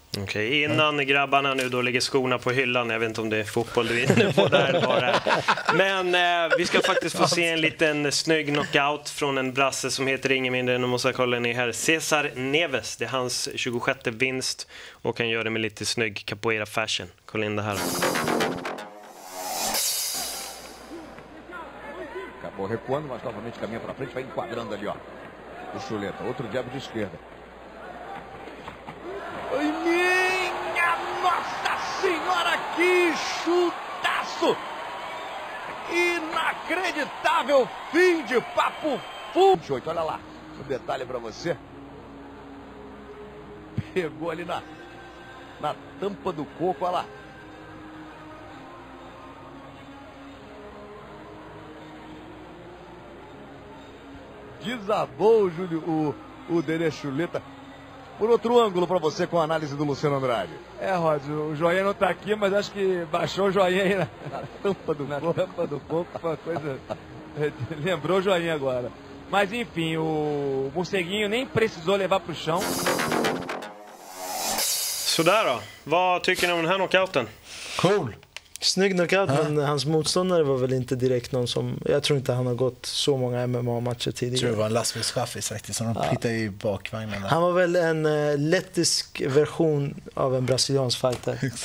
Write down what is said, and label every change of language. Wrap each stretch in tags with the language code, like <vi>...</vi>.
<sv>Okej, innan grabbarna nu då lägger skorna på hyllan. Jag vet inte om det är fotboll du är inne på där bara. Men vi ska faktiskt få se en liten snygg knockout från en brasse som heter ingen mindre än, om jag kollar ni här, Cesar Neves. Det är hans 26:e vinst och han gör det med lite snygg capoeira fashion. Kolla in det här.</sv> <pt>Acabou recuando, mas novamente caminha para frente, vai enquadrando ali, ó. O chuleta, outro jab de esquerda. Minha Nossa Senhora, que chutaço! Inacreditável fim de papo fundo. Olha lá, um detalhe pra você. Pegou ali na tampa do coco, olha lá. Desabou o Júlio, o Dede Chuleta. Por outro ângulo para você com a análise do Luciano Andrade. É, Rod, o joinha não tá aqui, mas acho que baixou o joinha aí na tampa do coco. Na tampa do coco, foi uma coisa... Lembrou o joinha agora. Mas enfim, o morceguinho nem precisou levar pro chão.</pt> <sv>Sådär då. Vad tycker ni om den här knockouten? Cool. Snygg knockout, men hans motståndare var väl inte direkt någon som... Jag tror inte han har gått så många MMA-matcher tidigare. Jag tror det var en lastbilschaffis faktiskt, som de hittade i bakvagnen. Han var väl en lettisk version av en brasiliansk fighter.</sv>